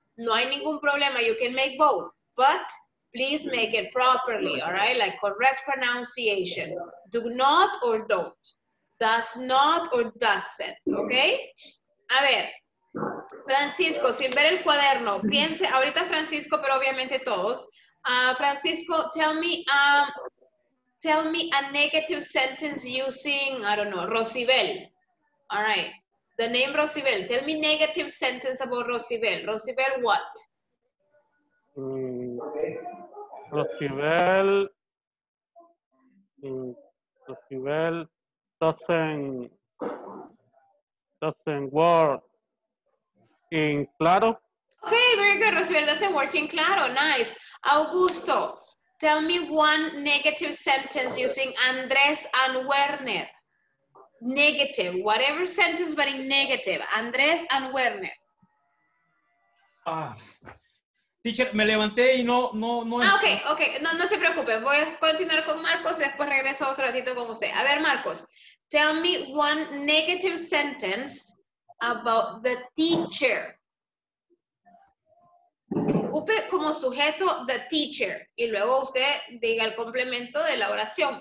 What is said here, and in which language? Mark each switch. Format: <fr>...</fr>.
<es>No hay ningún problema,</es> <en>you can make both, but please make it properly, ¿all right? Like correct pronunciation, do not or don't. Does not or doesn't, ¿ok?</en> <es>A ver, Francisco, sin ver el cuaderno, piense, ahorita Francisco, pero obviamente todos.</es> <en>Francisco, tell me a negative sentence using, I don't know, Rocibel. All right, the name Rocibel. Tell me negative sentence about Rocibel. Rocibel what? Rocibel. Rocibel. Doesn't work in claro. Okay, very good. Rosibel doesn't work in claro. Nice. Augusto, tell me one negative sentence using Andrés and Werner. Negative. Whatever sentence, but in negative. Andrés and Werner.</en> <es>Teacher, me levanté y no. Okay. No se preocupe. Voy a continuar con Marcos y después regreso otro ratito con usted. A ver, Marcos.</es> <en>Tell me one negative sentence about the teacher.</en> <es>Ocupe como sujeto</es> <en>the teacher.</en> <es>Y luego usted diga el complemento de la oración.</es>